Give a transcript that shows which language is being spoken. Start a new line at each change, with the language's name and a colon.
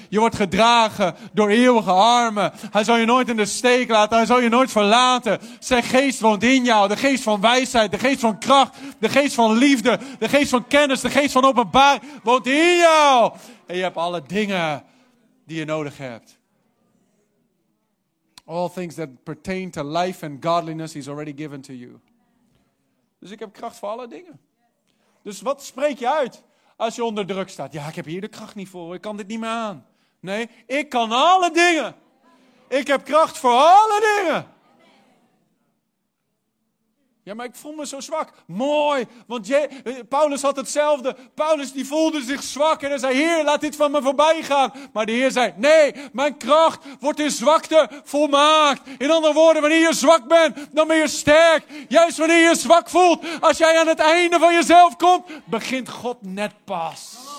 Dutch: Je wordt gedragen door eeuwige armen. Hij zal je nooit in de steek laten. Hij zal je nooit verlaten. Zijn geest woont in jou. De geest van wijsheid. De geest van kracht. De geest van liefde. De geest van kennis. De geest van openbaar woont in jou. En je hebt alle dingen die je nodig hebt.
English: All things that pertain to life and godliness he's already given to you.
Dutch: Dus ik heb kracht voor alle dingen. Dus wat spreek je uit als je onder druk staat? Ja, ik heb hier de kracht niet voor. Ik kan dit niet meer aan. Nee, ik kan alle dingen. Ik heb kracht voor alle dingen. Ja, maar ik voel me zo zwak. Mooi, want Paulus had hetzelfde. Paulus die voelde zich zwak en hij zei, Heer, laat dit van me voorbij gaan. Maar de Heer zei, nee, mijn kracht wordt in zwakte volmaakt. In andere woorden, wanneer je zwak bent, dan ben je sterk. Juist wanneer je zwak voelt, als jij aan het einde van jezelf komt, begint God net pas.